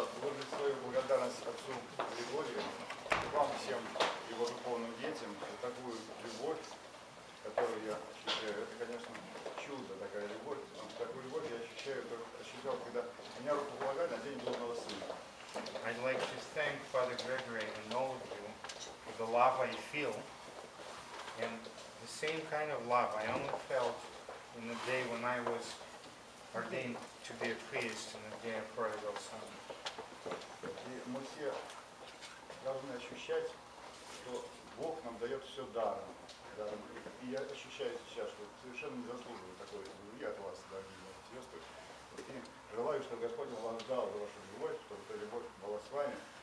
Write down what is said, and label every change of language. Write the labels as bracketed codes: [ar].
[ru] выразить свою благодарность отцу Григорию, вам всем, его духовным детям, за такую любовь, которую я ощущаю. Это, конечно, чудо, такая любовь. Но такую любовь я ощущаю, ощущал, когда меня руку полагали на день блудного сына. [en] I'd like to thank Father Gregory and all of you for the love I feel. And the same kind of love I only felt in the day when I was ordained to be a priest in the day of prodigal son. [ru] И мы все должны ощущать, что Бог нам дает все даром. И я ощущаю сейчас, что совершенно не заслуживаю такой любви от вас, дорогие мои сестры. И желаю, чтобы Господь вам дал вашу любовь, чтобы эта любовь была с вами.